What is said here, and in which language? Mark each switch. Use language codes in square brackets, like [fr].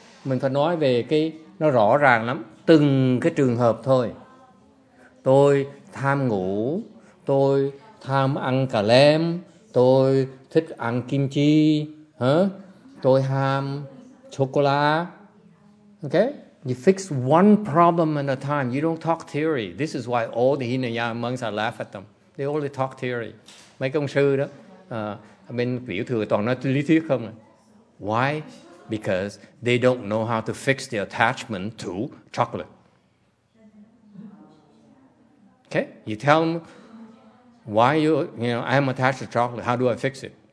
[vi] Mình phải nói về cái nó rõ ràng lắm. Từng cái trường hợp thôi. Tôi tham ngủ, tôi tham ăn cà lem, tôi thích ăn kim chi, hả? Tôi ham chocola. Okay? [en] You fix one problem at a time. You don't talk theory. This is why all the Hinayana monks are laugh at them. They only talk theory. [vi] Mấy công sư đó, bên biểu thừa toàn nói lý thuyết không. [en] Why? Because they don't know how to fix the attachment to chocolate. Okay, you tell them why you know I am attached to chocolate. How do I fix it?